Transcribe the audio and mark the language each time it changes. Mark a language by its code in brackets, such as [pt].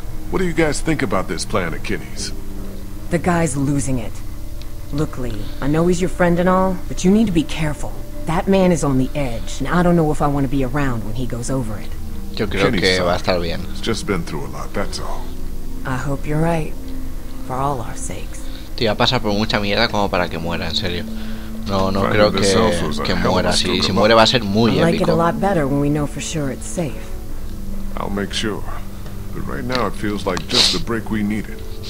[en] What do you guys think about this plan at Kinney's? The guy's losing it. Look, Lee, I know he's your friend and all, but you need to be careful. That man is on the edge, and I don't know if I want to be around when he goes over it. [es] Yo creo que va a estar bien. [en] He's just been through a lot, that's all. I hope you're right. For all our sakes. [es] Tío, va a pasar por mucha mierda como para que muera, en serio. No, no creo que muera. Si muere va a ser muy épico. [en] I like it a lot better when we know for sure it's safe. I'll make sure. But right now it feels like just the break we needed.